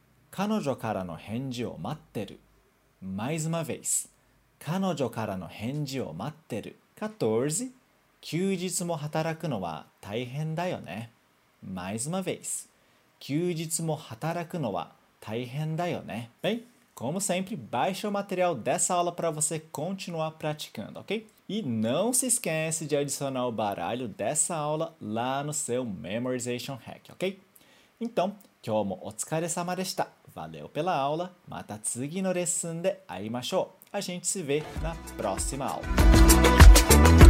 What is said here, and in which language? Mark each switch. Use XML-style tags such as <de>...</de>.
<ja>彼女からの返事を待ってる。</ja> <pt>Mais uma vez。</pt> <ja>彼女からの返事を待ってる。</ja> <pt>Quatorze。</pt> <ja>休日も働くのは大変だよね。</ja> <pt>Mais uma vez。</pt> <ja>休日も働くのは大変だよね。</ja> <pt>Bem, como sempre, baixe o material dessa aula para você continuar praticando, ok? E não se esquece de adicionar o baralho dessa aula lá no seu Memorization Hack, ok? Então,</pt> <ja>今日もお疲れ様でした。</ja> <pt>Valeu pela aula.</pt> <ja>また次のレッスンで会いましょう。</ja> <pt>A gente se vê na próxima aula.</pt>